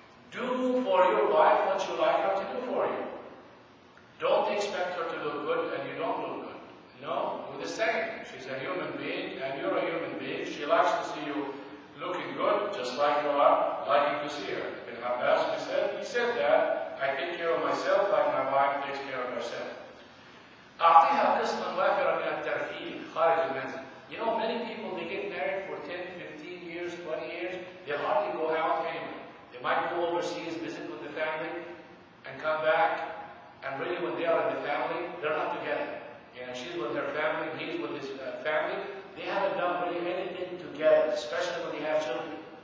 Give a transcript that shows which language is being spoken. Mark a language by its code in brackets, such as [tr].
[en] Do for your wife what you like her to do for you. Don't expect her to look good and you don't look good. No, do the same. She's a human being and you're a human being. She likes to see you looking good, just spike you up like it was here. Ibn Abbas, he said that, I take care of myself like my wife takes care of herself. [ar] أعطيها قسما واحدا من الترفيه خارج المنزل. [en] You know, many people, they get married for 10, 15 years, 20 years, they hardly go out anymore. They might go overseas, visit with the family, and come back, and really when they are in the family, they're not together. You know, she's with her family, he's with his family. They haven't done really anything together, especially when they have children.